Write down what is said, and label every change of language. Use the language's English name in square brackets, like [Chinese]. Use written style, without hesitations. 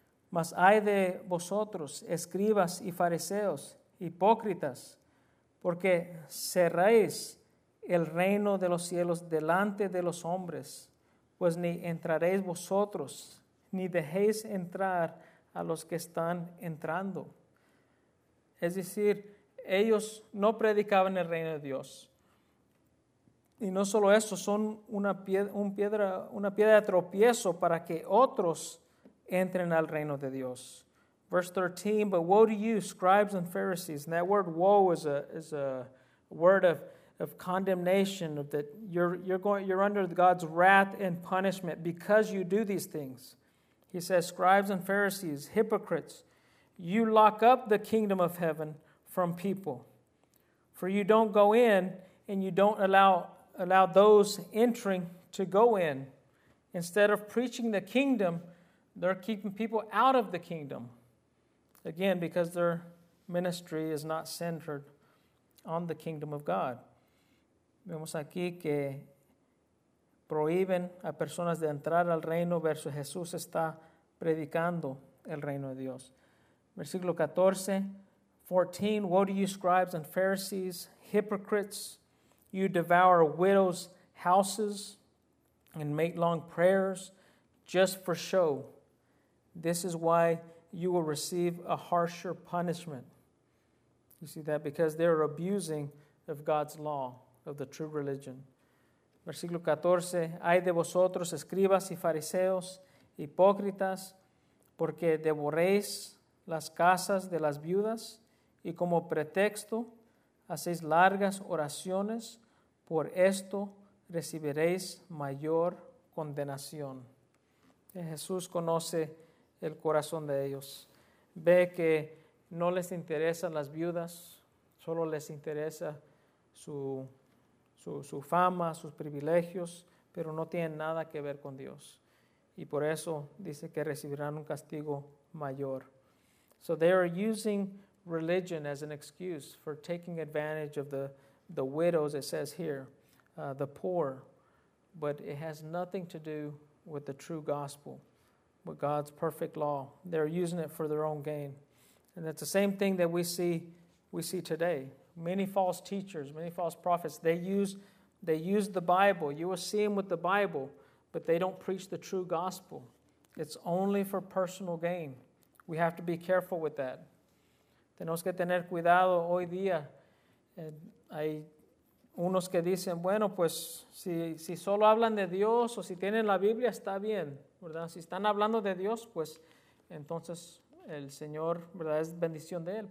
[Spanish] Mas ay de vosotros, escribas y fariseos, hipócritas, porque cerráis el reino de los cielos delante de los hombres, pues ni entraréis vosotros, ni dejéis entrar a los que están entrando. Es decir, ellos no predicaban el reino de Dios. Y no solo eso, son una piedra de tropiezo para que otros entren al reino de Dios. [English] Verse 13, but woe to you, scribes and Pharisees. And that word woe is a word of condemnation, of that you're under God's wrath and punishment because you do these things. He says, scribes and Pharisees, hypocrites, you lock up the kingdom of heaven from people. For you don't go in and you don't allow those entering to go in. Instead of preaching the kingdom, they're keeping people out of the kingdom. Again, because their ministry is not centered on the kingdom of God. [Spanish] Vemos aquí que prohíben a personas de entrar al reino versus Jesús está predicando el reino de Dios. [English] Versículo 14, woe to you, scribes and Pharisees, hypocrites, you devour widows' houses and make long prayers just for show. This is why you will receive a harsher punishment. You see that? Because they're abusing of God's law, of the true religion. [Spanish] Versículo 14, ay de vosotros, escribas y fariseos, hipócritas, porque devoréis las casas de las viudas y como pretexto hacéis largas oraciones, por esto recibiréis mayor condenación. Jesús conoce el corazón de ellos. Ve que no les interesan las viudas, solo les interesa su fama, sus privilegios, pero no tienen nada que ver con Dios. Y por eso dice que recibirán un castigo mayor. [English] So they are using religion as an excuse for taking advantage of the widows, it says here, the poor. But it has nothing to do with the true gospel, with God's perfect law. They're using it for their own gain. And it's the same thing that we see today. Many false teachers, many false prophets, they use the Bible. You will see them with the Bible, but they don't preach the true gospel. It's only for personal gain. We have to be careful with that. [Spanish] Tenemos que tener cuidado hoy día. And hay unos que dicen, bueno, pues si solo hablan de Dios o si tienen la Biblia, está bien, ¿verdad? Si están hablando de Dios, pues entonces el Señor, ¿verdad?, es bendición de él.